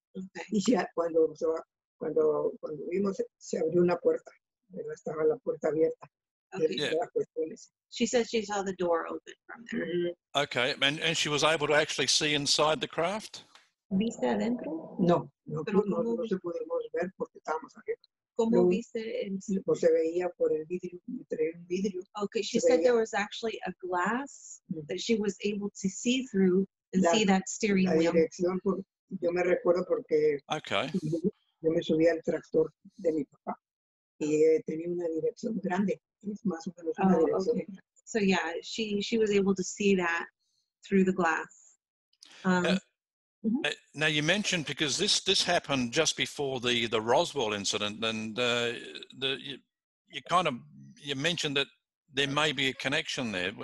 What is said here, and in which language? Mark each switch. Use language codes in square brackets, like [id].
[es] Okay. Y ya cuando vimos, se abrió una puerta. Pero estaba la puerta abierta. [en] Okay. Yeah. She said she saw the door open from there. Mm-hmm. Okay, and she was able to actually see inside the craft? [es] ¿Viste adentro? No se pudimos ver porque estábamos abiertos. ¿Cómo viste en sí? Pues se veía por el vidrio. [en] Okay, she said there was actually a glass that she was able to see through and see that steering wheel. [es] La dirección, yo me recuerdo porque yo me subí al tractor de mi papá y tenía una dirección grande. Es más o menos una dirección. Okay. [en] So yeah, she was able to see that through the glass. Mm-hmm. Now you mentioned, because this happened just before the Roswell incident, and you mentioned that there may be a connection there.